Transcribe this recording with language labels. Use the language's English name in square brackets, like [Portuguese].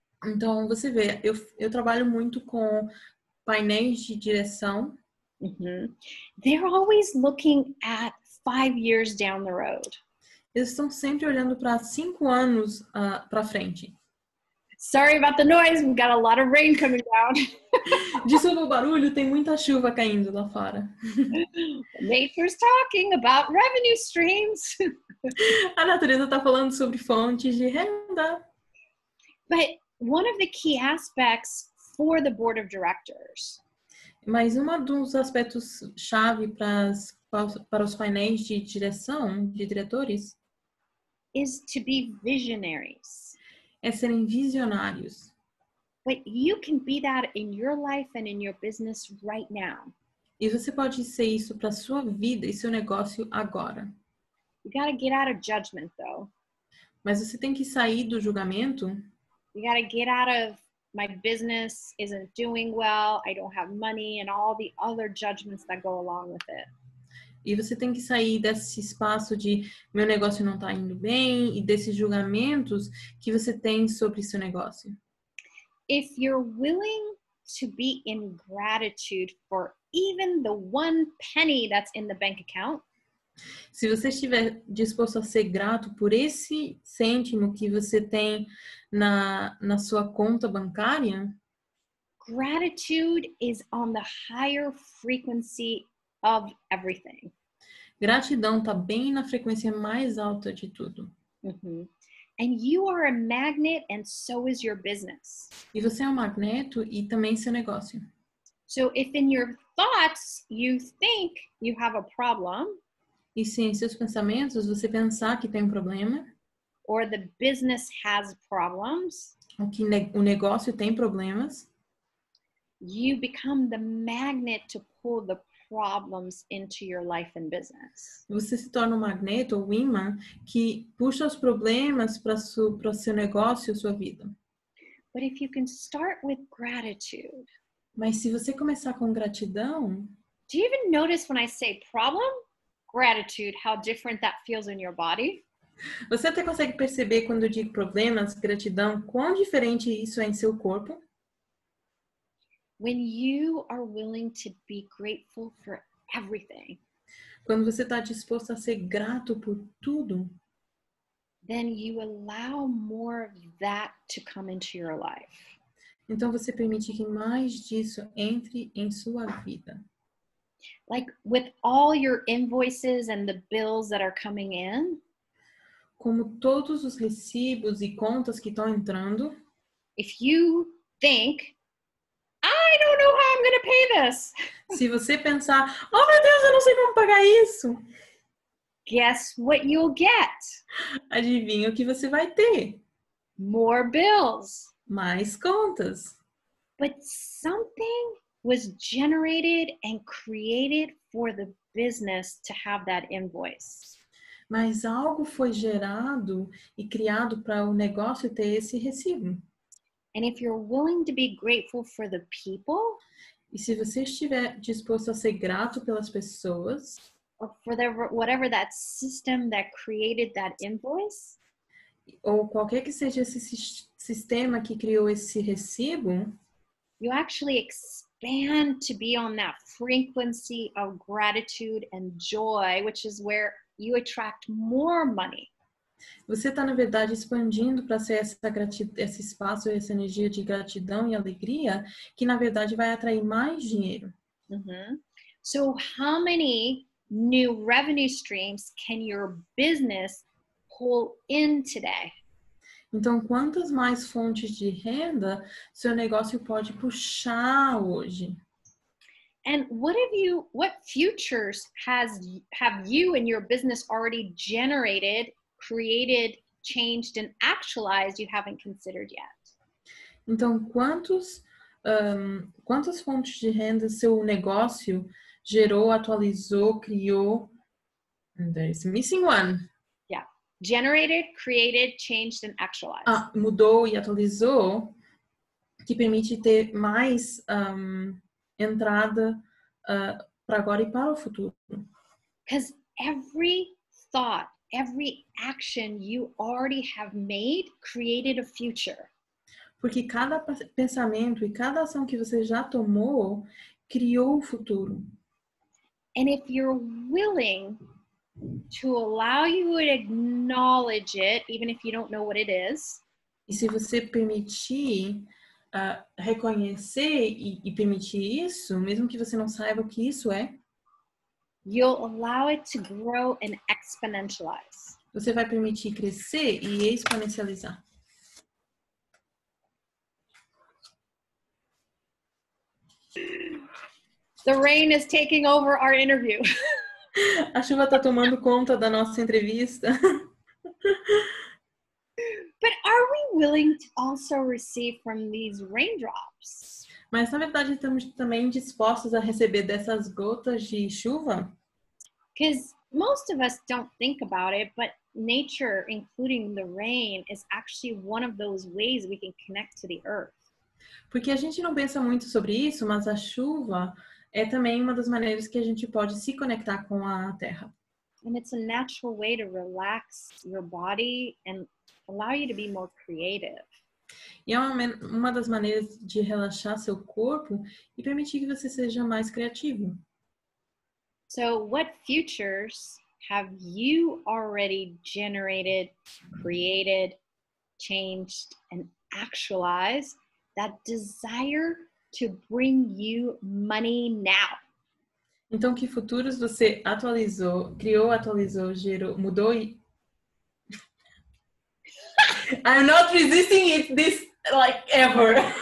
[Portuguese] Então, você vê, eu trabalho muito com painéis de direção. Uhum. [English] They're always looking at 5 years down the road. [Portuguese] Eles estão sempre olhando para 5 anos para frente. [English] Sorry about the noise, we've got a lot of rain coming down. [Portuguese] Desculpa o barulho, tem muita chuva caindo lá fora. [English] Nature's talking about revenue streams. [Portuguese] A natureza está falando sobre fontes de renda. [English] But one of the key aspects for the board of directors. [Portuguese] Mas um dos aspectos chave para os painéis de direção, de diretores, [English] is to be visionaries. [Portuguese] É serem visionários. [English] But you can be that in your life and in your business right now. [Portuguese] E você pode ser isso para sua vida e seu negócio agora. [English] You gotta get out of judgment, though. [Portuguese] Mas você tem que sair do julgamento. [English] You gotta get out of my business isn't doing well, I don't have money, and all the other judgments that go along with it. [Portuguese] E você tem que sair desse espaço de meu negócio não está indo bem e desses julgamentos que você tem sobre seu negócio. [English] If you're willing to be in gratitude for even the one penny that's in the bank account, [Portuguese] se você estiver disposto a ser grato por esse cêntimo que você tem na sua conta bancária, [English] gratitude is on the higher frequency of everything. [Portuguese] Gratidão tá bem na frequência mais alta de tudo. Uhum. [English] And you are a magnet and so is your business. [Portuguese] E você é um magneto e também seu negócio. [English] So if in your thoughts you think you have a problem, [Portuguese] e se em seus pensamentos você pensar que tem um problema, [English] or the business has problems, [Portuguese] ou que o negócio tem problemas, [English] you become the magnet to pull the problems into your life and business. [Portuguese] Você se torna um magneto ou um imã que puxa os problemas para seu negócio, sua vida. [English] But if you can start with gratitude. [Portuguese] Mas se você começar com gratidão. [English] Do you even notice when I say problem, gratitude, how different that feels in your body? [Portuguese] Você até consegue perceber quando eu digo problemas, gratidão, quão diferente isso é em seu corpo? [English] When you are willing to be grateful for everything, [Portuguese] quando você está disposto a ser grato por tudo, [English] then you allow more of that to come into your life. [Portuguese] Então você permite que mais disso entre em sua vida. [English] Like with all your invoices and the bills that are coming in, [Portuguese] como todos os recibos e contas que estão entrando, [English] If you think, I don't know how I'm going to pay this. [Portuguese] Se você pensar, oh meu Deus, eu não sei como pagar isso. [English] Guess what you'll get. [Portuguese] Adivinha o que você vai ter. [English] More bills. [Portuguese] Mais contas. [English] But something was generated and created for the business to have that invoice. [Portuguese] Mas algo foi gerado e criado para o negócio ter esse recibo. [English] And if you're willing to be grateful for the people, [Portuguese] e se você estiver disposto a ser grato pelas pessoas, [English] or for the, whatever that system that created that invoice, [Portuguese] ou qualquer que seja esse sistema que criou esse recibo, [English] you actually expand to be on that frequency of gratitude and joy, which is where you attract more money. [Portuguese] Você está, na verdade, expandindo para ser essa esse espaço, essa energia de gratidão e alegria, que, na verdade, vai atrair mais dinheiro. Uhum. [English] So, how many new revenue streams can your business pull in today? [Portuguese] Então, quantas mais fontes de renda seu negócio pode puxar hoje? [English] And what have you, what futures have you and your business already generated, created, changed, and actualized you haven't considered yet? [Portuguese] Então, quantas fontes de renda seu negócio gerou, atualizou, criou? [English] And there's missing one. Yeah. Generated, created, changed, and actualized. [Portuguese] Ah, mudou e atualizou, que permite ter mais entrada para agora e para o futuro. [English] Because every thought, every action you already have made created a future. [Portuguese] Porque cada pensamento e cada ação que você já tomou criou o futuro. [English] And if you're willing to allow you to acknowledge it, even if you don't know what it is. [Portuguese] E se você permitir reconhecer e permitir isso, mesmo que você não saiba o que isso é. [English] You'll allow it to grow and exponentialize. [Portuguese] Você vai permitir crescer e exponencializar. [English] The rain is taking over our interview. [Portuguese] A chuva está tomando conta da nossa entrevista. [English] But are we willing to also receive from these raindrops? [Portuguese] Mas na verdade estamos também dispostos a receber dessas gotas de chuva? [English] Because most of us don't think about it, but nature, including the rain, is actually one of those ways we can connect to the earth. [Portuguese] Porque a gente não pensa muito sobre isso, mas a chuva é também uma das maneiras que a gente pode se conectar com a terra. [English] And it's a natural way to relax your body and allow you to be more creative. [Portuguese] E é uma das maneiras de relaxar seu corpo e permitir que você seja mais criativo. [English] So, what futures have you already generated, created, changed, and actualized that desire to bring you money now? [Portuguese] Então, que futuros você atualizou, criou, atualizou, gerou, mudou e... [English] I'm not resisting it this, like, ever.